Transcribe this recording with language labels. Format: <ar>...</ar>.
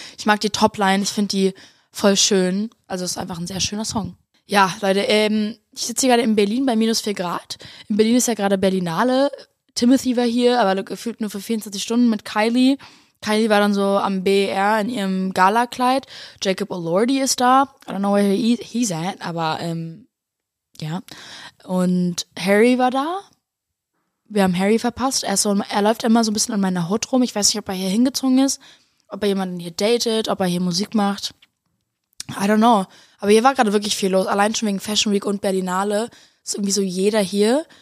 <de>Ich mag die Topline, ich finde die voll schön. Also es ist einfach ein sehr schöner Song. Ja, Leute, ich sitze hier gerade in Berlin bei minus 4 Grad. In Berlin ist ja gerade Berlinale. Timothy war hier, aber gefühlt nur für 24 Stunden mit Kylie. Kylie war dann so am BER in ihrem Gala-Kleid. Jacob Elordi ist da.</de> <en>I don't know where he's at,</en> <de>aber ja. Und Harry war da. Wir haben Harry verpasst. Er läuft immer so ein bisschen an meiner Hood rum. Ich weiß nicht, ob er hier hingezogen ist, ob er jemanden hier datet, ob er hier Musik macht.</de> <en>I don't know.</en> <de>Aber hier war gerade wirklich viel los. Allein schon wegen Fashion Week und Berlinale ist irgendwie so jeder hier.</de>